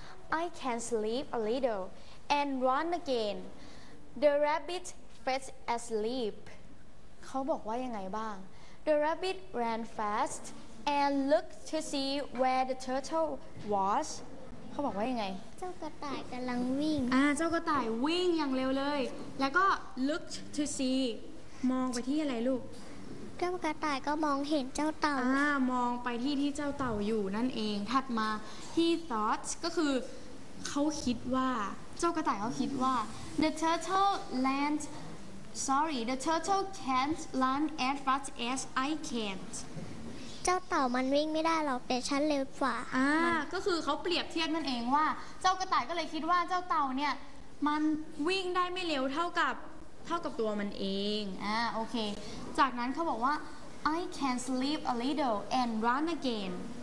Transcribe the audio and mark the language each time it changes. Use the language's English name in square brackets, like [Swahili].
[English] I can sleep a little and run again. The rabbit fell asleep. [Thai] เขาบอกว่ายังไงบ้าง [English] The rabbit ran fast and looked to see where the turtle was. [Thai] เขาบอกว่ายังไง เจ้ากระต่ายกำลังวิ่ง เจ้ากระต่ายวิ่งอย่างเร็วเลยแล้วก็ [English] looked to see [Thai] มองไปที่อะไรลูก เจ้ากระต่ายก็มองเห็นเจ้าเต่าม องไปที่ที่เจ้าเต่าอยู่นั่นเองถัดมา [English] he thought [Thai] ก็คือเขาคิดว่าเจ้ากระต่ายเขาคิดว่า [English] the turtle can't run as fast as I can [Thai] เจ้าเต่ามันวิ่งไม่ได้หรอกแต่ฉันเร็วกว่า ก็คือเขาเปรียบเทียบนั่นเองว่าเจ้ากระต่ายก็เลยคิดว่าเจ้าเต่าเนี่ยมันวิ่งได้ไม่เร็วเท่ากับตัวมันเองโอเคจากนั้นเขาบอกว่า [English] I can sleep a little and run again